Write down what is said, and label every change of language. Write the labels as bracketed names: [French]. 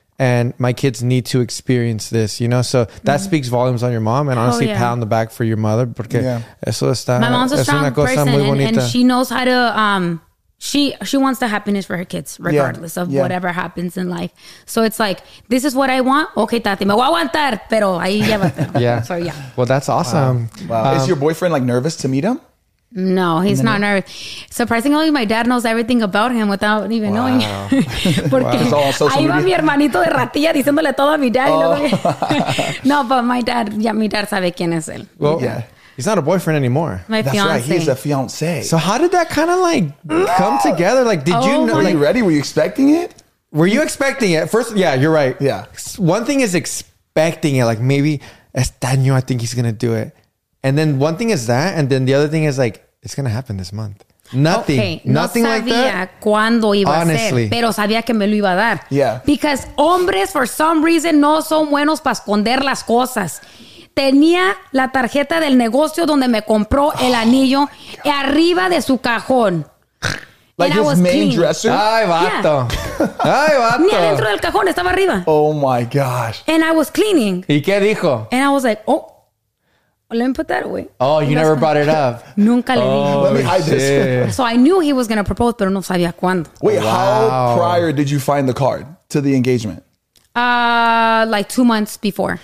[English] And my kids need to experience this, you know? So that speaks volumes on your mom. And honestly, pat on the back for your mother. [Spanish] Porque eso está, [English] my mom's a strong person and she knows how to... She wants the happiness for her kids, regardless of whatever happens in life. So it's like, this is what I want. [Spanish] Okay, tati, me voy a aguantar, pero ahí llévate. [English] So Well, that's awesome. Wow. Is your boyfriend like nervous to meet him? No, he's not nervous. Surprisingly, my dad knows everything about him without even knowing. [Spanish] Porque ahí va mi hermanito de ratilla diciéndole todo a mi dad. [English] No, but my dad, [Spanish] mi dad sabe quién es él. [English] He's not a boyfriend anymore. My fiance. That's right. He's a fiance. So how did that kind of like come together? Like, did you know? Were you ready? Were you expecting it? Were you expecting it? First, yeah, you're right. Yeah. One thing is expecting it. Like maybe, I think he's going to do it. And then one thing is that. And then the other thing is like, it's going to happen this month. Nothing. Okay. Nothing like that. [Spanish] No sabía cuándo iba honestly. A ser, pero sabía que me lo iba a dar. [English] Yeah. [Spanish] Because hombres, [English] for some reason, [Spanish] no son buenos para esconder las cosas. Tenía la tarjeta del negocio donde me compró el anillo arriba de su cajón. [English] Like his main dresser? [Spanish] Ay, vato. Ay, vato. Ni adentro del cajón, estaba arriba. [English] Oh, my gosh. And I was cleaning. [Spanish] ¿Y qué dijo? [English] And I was like, let me put that away. Oh, you never brought it up. [Spanish] Nunca le dije. [English] Let me hide this. So I knew he was going to propose, [Spanish] pero no sabía cuándo. [English] Wait, how prior did you find the card to the engagement? Like 2 months before.